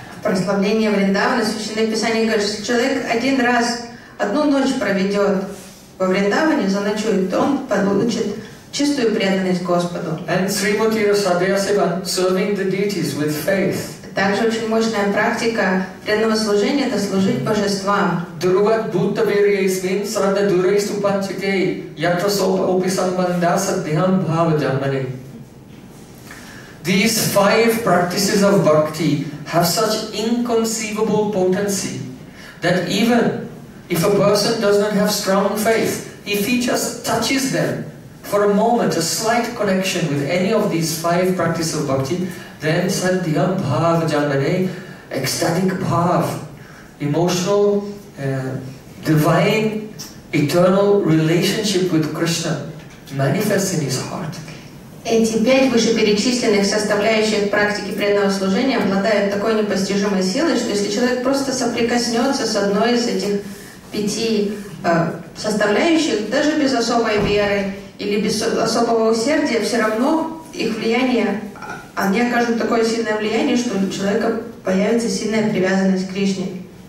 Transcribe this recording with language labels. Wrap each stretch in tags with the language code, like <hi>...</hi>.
<ru>Прославление Вриндавана, Священное Писание говорит, что человек один раз, одну ночь проведет во Вриндаване, заночует, то он получит чистую преданность Господу.</ru> <en>And Srimati Rasadeya Seva, serving the deities with faith.</en> <ru>Также очень мощная практика преданного служения — это служить божествам. Дурват Бутта Вирейсмин Срада Дурейсту Панчитей Ятра Сопа Описан Бандаса Дхиам Бхава Джамани.</ru> <en>These five practices of bhakti have such inconceivable potency that even if a person does not have strong faith, if he just touches them for a moment, a slight connection with any of these five practices of bhakti, then sadhya bhav janane, ecstatic bhav, emotional, divine, eternal relationship with Krishna manifests in his heart.</en> <ru>Эти пять вышеперечисленных составляющих практики преданного служения обладают такой непостижимой силой, что если человек просто соприкоснется с одной из этих пяти составляющих, даже без особой веры или без особого усердия, все равно их влияние, они окажут такое сильное влияние, что у человека появится сильная привязанность к Кришне.</ru>